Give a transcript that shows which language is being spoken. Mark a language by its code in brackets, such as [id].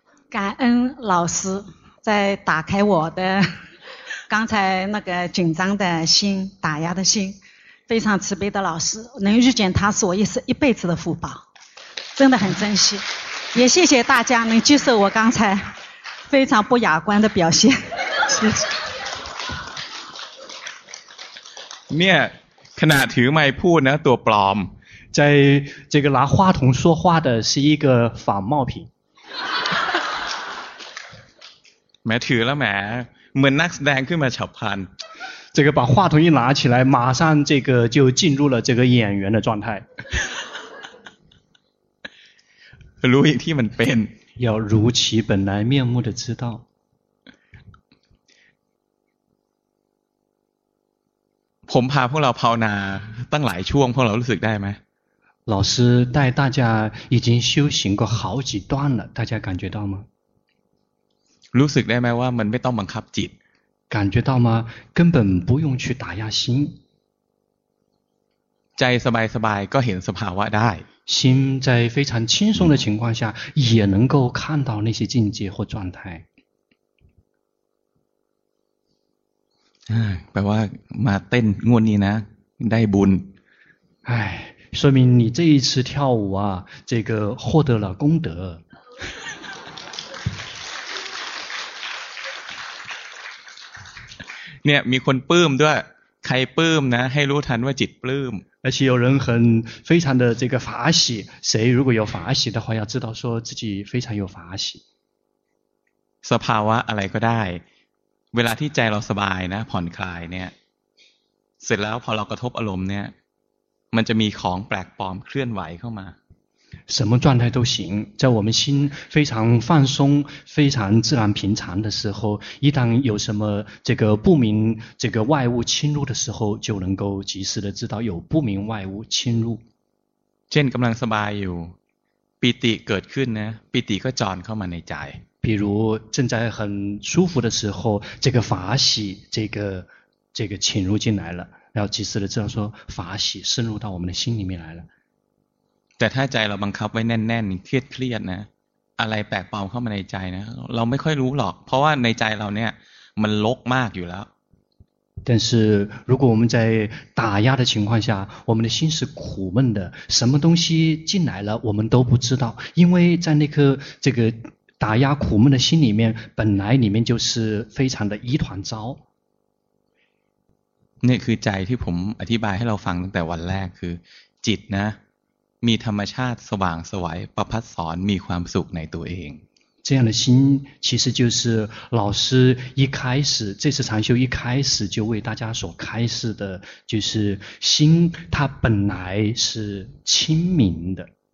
[zh] 感恩老师在打开我的刚才那个紧张的心打压的心非常慈悲的老师能遇见他是我一辈子的福报真的很珍惜也谢谢大家能接受我刚才非常不雅观的表现谢谢 [th] เนี่ยขณะถือไมค์พูดนะตัวปลอม [zh] 在这个拿话筒说话的是一个仿冒品 [th] แม้ถือแล้วแม้เหมือนนักแสดงขึ้นมาฉับพลัน [zh] 这个把话筒一拿起来马上这个就进入了这个演员的状态 [th] รู้อย่างที่มันเป็น [zh] 要如其本来面目的知道 [th] ผมพาพวกเราภาวนาตั้งหลายช่วงพวกเรารู้สึกได้ไหม [zh] 老师带大家已经修行过好几段了大家感觉到吗 [th] รู้สึกได้ไหมว่ามันไม่ต้องบังคับจิต [zh] 感觉到吗？根本不用去打压心。 [th] ใจสบายสบายก็เห็นสภาวะได้。 [zh] 心在非常轻松的情况下，也能够看到那些境界或状态。 [th] แปลว่ามาเต้นงวดนี้นะได้บุญ [zh] 哎，说明你这一次跳舞啊，这个获得了功德。 [th] เนี่ยมีคนปลื้มด้วยใครปลื้มนะให้รู้ทันว่าจิตปลื้ม [zh] 而且有人很非常的这个法喜谁如果有法喜的话要知道说自己非常有法喜 [th] สภาวะอะไรก็ได้เวลาที่ใจเราสบายนะผ่อนคลายเนี่ยเสร็จแล้วพอเรากระทบอารมณ์เนี่ยมันจะมีของแปลกปลอมเคลื่อนไหวเข้ามา [zh] 什么状态都行在我们心非常放松非常自然平常的时候一旦有什么这个不明这个外物侵入的时候就能够及时的知道有不明外物侵入 [th] เช่นกำลังสบายอยู่ปิติเกิดขึ้นนะปิติก็จรเข้ามาในใจ [zh] 比如正在很舒服的时候这个法喜这个侵入进来了然后及时的知道说法喜深入到我们的心里面来了 [th] แต่ถ้าใจเราบังคับไว้แน่นๆเครียดเครียดนะอะไรแปลกปลอมเข้ามาในใจนะเราไม่ค่อยรู้หรอกเพราะว่าในใจเราเนี่ยมันรกมากอยู่แล้ว [zh] 但是如果我们在打压的情况下我们的心是苦闷的什么东西进来了我们都不知道因为在那颗这个打压苦闷的心里面本来里面就是非常的一团糟 [th] 那คือใจที่ผมอธิบายให้เราฟังตั้งแต่วันแรกคือจิตนะมีธรรมชาติสว่างสวยประพัดสอนมีความสุขในตัวเอง [zh] 这样的心其实就是老师一开始这次禅修一开始就为大家所开示的就是心它本来是清明的